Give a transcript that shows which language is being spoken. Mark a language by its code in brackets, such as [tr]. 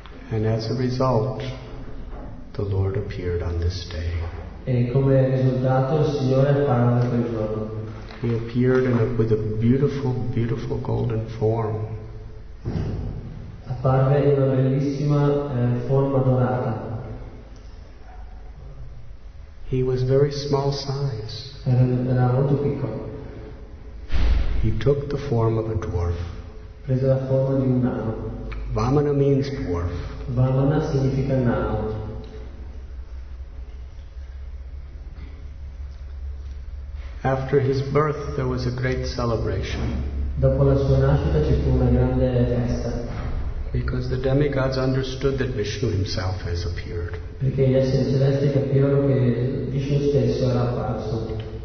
[en] And as a result, the Lord appeared on this day. [it] E come risultato il Signore apparve quel giorno. [en] He appeared with a beautiful, beautiful golden form. [it] Apparve in una bellissima forma dorata. [en] He was very small size. [it] Era molto piccolo. [en] He took the form of a dwarf. [it] Prese la forma di un nano. [en] Vamana means dwarf. [it] Vamana significa nano. [en] After his birth, there was a great celebration. [it] Dopo la sua nascita ci fu una grande festa. [en] Because the demigods understood that Vishnu himself has appeared. [it] Perché gli esseri celesti capirono che Vishnu stesso era apparso.